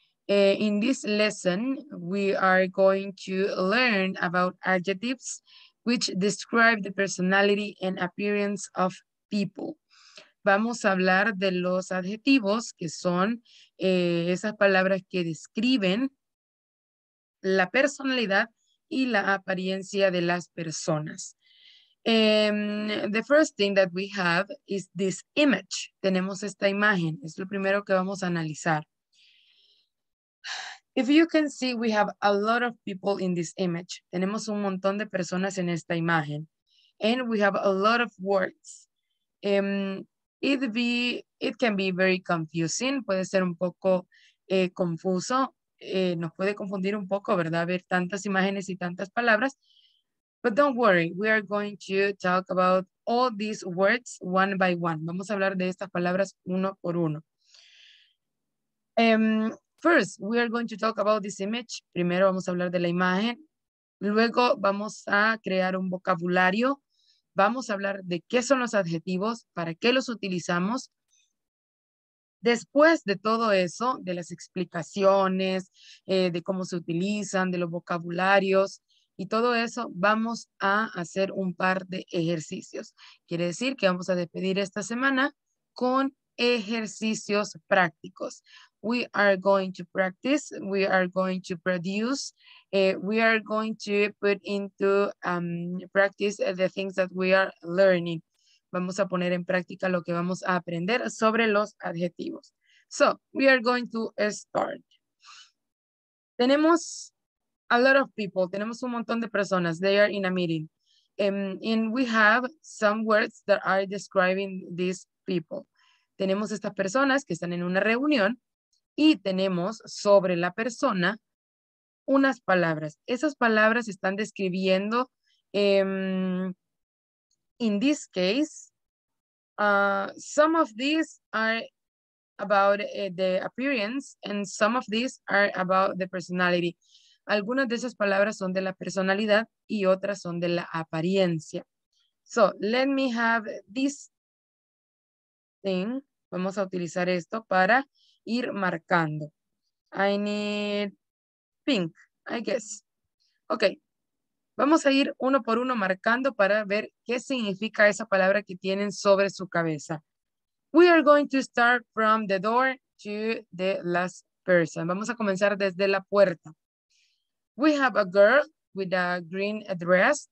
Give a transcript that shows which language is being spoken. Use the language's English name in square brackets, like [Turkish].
[English] In this lesson, we are going to learn about adjectives, which describe the personality and appearance of people. [Spanish] Vamos a hablar de los adjetivos, que son esas palabras que describen la personalidad y la apariencia de las personas. [English] The first thing that we have is this image. [Spanish] Tenemos esta imagen. Es lo primero que vamos a analizar. [English] If you can see, we have a lot of people in this image. [Spanish] Tenemos un montón de personas en esta imagen. [English] And we have a lot of words. It can be very confusing. [Spanish] Puede ser un poco confuso. Nos puede confundir un poco, ¿verdad? Ver tantas imágenes y tantas palabras. [English] But don't worry. We are going to talk about all these words one by one. [Spanish] Vamos a hablar de estas palabras uno por uno. [English] First, we are going to talk about this image. [Spanish] Primero vamos a hablar de la imagen. Luego vamos a crear un vocabulario. Vamos a hablar de qué son los adjetivos, para qué los utilizamos. Después de todo eso, de las explicaciones, de cómo se utilizan, de los vocabularios y todo eso, vamos a hacer un par de ejercicios. Quiere decir que vamos a despedir esta semana con ejercicios prácticos. [English] We are going to practice, we are going to produce, we are going to put into practice the things that we are learning. [Spanish] Vamos a poner en práctica lo que vamos a aprender sobre los adjetivos. [English] So, we are going to start. Tenemos a lot of people, [Spanish] tenemos un montón de personas, [English] they are in a meeting. And we have some words that are describing these people. [Spanish] Tenemos estas personas que están en una reunión. Y tenemos sobre la persona unas palabras. Esas palabras están describiendo, [English] in this case, some of these are about the appearance and some of these are about the personality. [Spanish] Algunas de esas palabras son de la personalidad y otras son de la apariencia. [English] So, let me have this thing. [Spanish] Vamos a utilizar esto para ir marcando. [English] I need pink, I guess. Ok. [Spanish] Vamos a ir uno por uno marcando para ver qué significa esa palabra que tienen sobre su cabeza. [English] We are going to start from the door to the last person. [Spanish] Vamos a comenzar desde la puerta. [English] We have a girl with a green dress.